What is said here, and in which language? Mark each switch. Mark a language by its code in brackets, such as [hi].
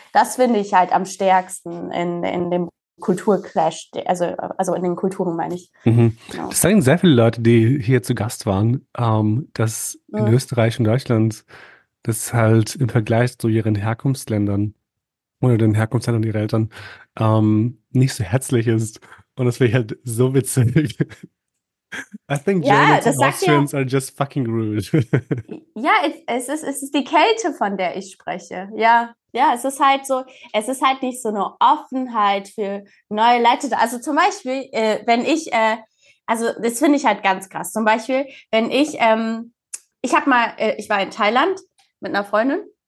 [de] Das finde ich halt am stärksten in dem Kulturclash, also in den Kulturen meine ich. Das sagen sehr viele Leute, die hier zu Gast waren, dass in Österreich und Deutschland das halt im Vergleich zu ihren Herkunftsländern oder den Herkunftsländern und ihre Eltern nicht so herzlich ist. Und das wäre halt so witzig. [en] I think Germans and Austrians are just fucking rude. [de] Ja, es ist die Kälte, von der ich spreche. Ja, es ist halt so, es ist halt nicht so eine Offenheit für neue Leute. Also zum Beispiel, wenn ich, also das finde ich halt ganz krass. Zum Beispiel, wenn ich, ich war in Thailand mit einer Freundin.